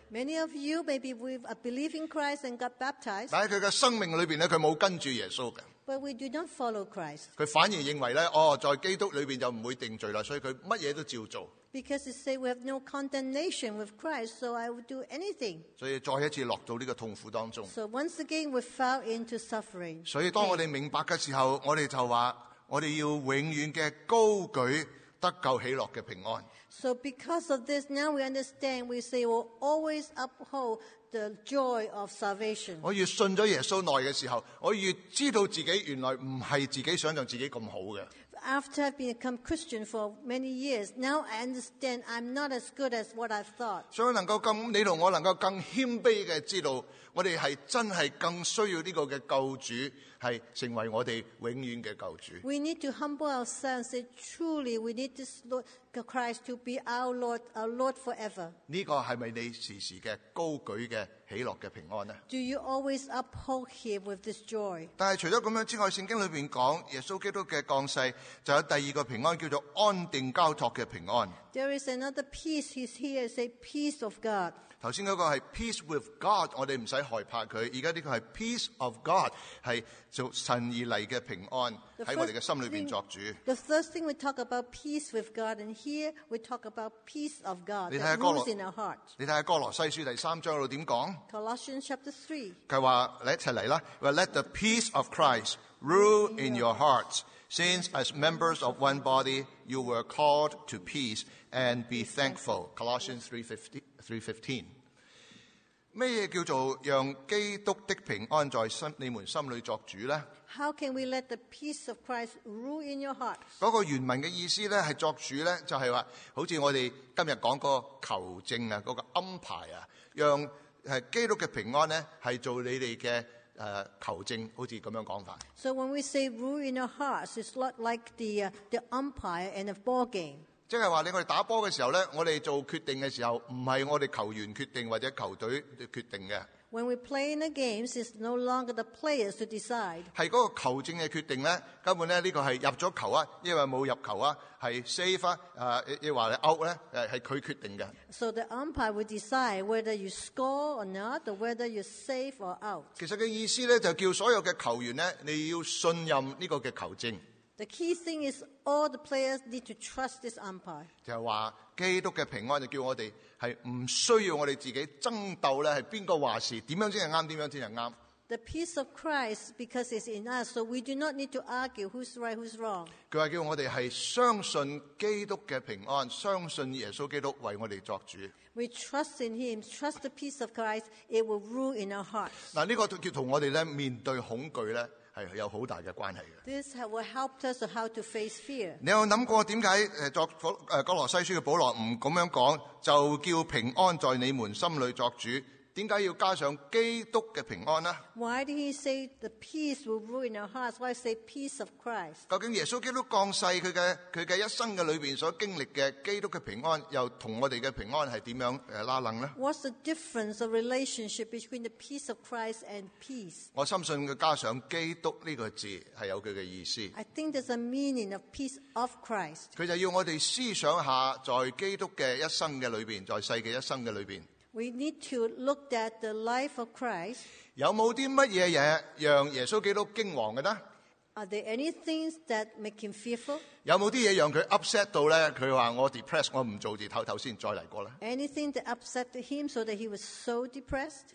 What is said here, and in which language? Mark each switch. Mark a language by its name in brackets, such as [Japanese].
[English] Many of you maybe we've believed in Christ and got baptized. [Chinese] 但喺佢嘅生命里边咧，佢冇跟住耶稣嘅。 [English] But we do not follow Christ. [Chinese] 佢反而认为咧，哦，在基督里边就唔会定罪啦，所以佢乜嘢都照做。 [English] Because it says we have no condemnation with Christ, so I would do anything. [Chinese] 所以再一次落到呢个痛苦当中。 [English] So once again we fell into suffering. [Chinese] 所以当我哋明白嘅时候，我哋就话我哋要永远嘅高举得救喜乐嘅平安。 [English] So because of this, now we understand. We say we'll always uphold. The joy of salvation. [Chinese] 我越信咗耶稣耐嘅时候，我越知道自己原来唔系自己想象自己咁好嘅。 [English] After I've become Christian for many years, now I understand I'm not as good as what I thought. [Chinese] 所以能够更你同我能够更谦卑嘅知道，我哋系真系更需要呢个嘅救主，系成为我哋永远嘅救主。 [English] We need to humble ourselves. Say, truly, we need this Lord Christ to be our Lord forever. [Chinese] 呢个系咪你时时嘅高举嘅？喜乐嘅平安呢 [English] Do you always uphold him with this joy? [Chinese] 但系除咗咁样之外，圣经里边讲耶稣基督嘅降世，就有第二个平安叫做安定交托嘅平安。 [English] There is another peace. He's here. It's a peace of God. [Chinese] 头先嗰个系 [English] peace with God， [Chinese] 我哋唔使害怕佢。而家呢个系 [English] peace of God， [Chinese] 系做神而嚟嘅平安喺我哋嘅心里边作主。 [English] The first thing we talk about peace with God， and here we talk about peace of God that rules in our heart。 [Chinese] 你睇下哥罗西书第三章度点讲？ [English] Colossians chapter 3。 [Chinese] 佢话你一齐嚟啦。 [English] Let the peace of Christ rule in your hearts。 Since as members of one body, you were called to peace and be thankful. [Chinese] Colossians 3:15. 咩嘢叫做让基督的平安在心你们心里作主呢 [English] ？How can we let the peace of Christ rule in your heart？ [Chinese] 嗰个原文嘅意思咧，系作主咧，就系话，好似我哋今日讲个球证啊，嗰个安排啊，让基督嘅平安咧，系做你哋嘅。求证好似咁样讲法。 [English] So when we say rule in our hearts, it's not like the umpire in a ball game. [Chinese] 即系话你我哋打波嘅时候咧，我哋做决定嘅时候，唔系我哋球员决定或者球队决定嘅。 [English] When we play in the games, it's no longer the players to decide. [Chinese] 是那個球證的決定呢，根本呢，這個是入了球啊，因為沒有入球啊，是 safe 啊，又或是 out 呢，是他決定的。 [English] So the umpire will decide whether you score or not, or whether you're safe or out. [Chinese] 其實的意思呢，就叫所有的球員呢，你要信任這個的球證。 [English] The key thing is all the players need to trust this umpire. [Chinese] 就是說基督的平安就叫我們是不需要我們自己爭鬥是誰說事怎樣才是對怎樣才是對。 [English] The peace of Christ because it's in us, so we do not need to argue who's right, who's wrong. [Chinese] 他說叫我們是相信基督的平安，相信耶穌基督為我們作主。 [English] We trust in Him, trust the peace of Christ, it will rule in our hearts. [Chinese] 那這個叫跟我們面對恐懼呢是有很大的关系的。 [English] This will help us on how to face fear. [Chinese] 你有想过为什么作哥罗西书的保罗不这样讲，就叫平安在你们心里作主，为什么要加上基督的平安呢？ [English] Why did he say the peace will rule in our hearts? Why say peace of Christ? [Chinese] 究竟耶稣基督降世他的一生的里面所经历的基督的平安又跟我们的平安是怎样拉楞呢？ [English] What's the difference of relationship between the peace of Christ and peace? [Chinese] 我深信他加上基督这个字是有他的意思。 [English] I think there's a meaning of peace of Christ. [Chinese] 他就要我们思想一下在基督的一生的里面，在世的一生的里面， [English] We need to look at the life of Christ. [Chinese] 有冇啲乜嘢嘢让耶稣基督惊惶嘅呢？ [English] Are there any things that make him fearful? [Chinese] 有冇啲嘢让佢 upset 到咧？佢话我 depressed， 我唔做字，唞唞先，再嚟过咧。 [English] Anything that upset him so that he was so depressed?